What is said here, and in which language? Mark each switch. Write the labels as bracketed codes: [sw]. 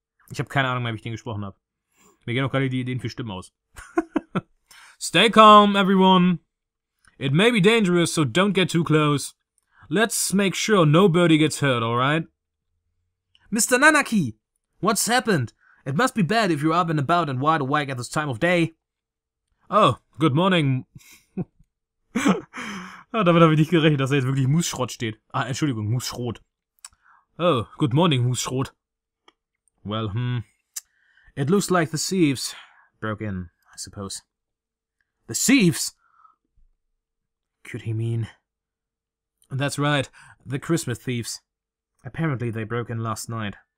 [de] Ich habe keine Ahnung mehr, wie ich den gesprochen habe. Mir gehen auch gerade die Ideen für Stimmen aus. [en] Stay calm, everyone. It may be dangerous, so don't get too close. Let's make sure nobody gets hurt, alright? Mr. Nanaki! What's happened? It must be bad if you're up and about and wide awake at this time of day. Oh, good morning. [de] Damit habe ich nicht gerechnet, dass da jetzt wirklich Moosschrott steht. Ah, Entschuldigung, Moosschrot. [en] Oh, good morning, [de] Moosschrot. [en] Well, it looks like the thieves broke in, I suppose. The thieves? Could he mean? That's right, the Christmas thieves. Apparently they broke in last night.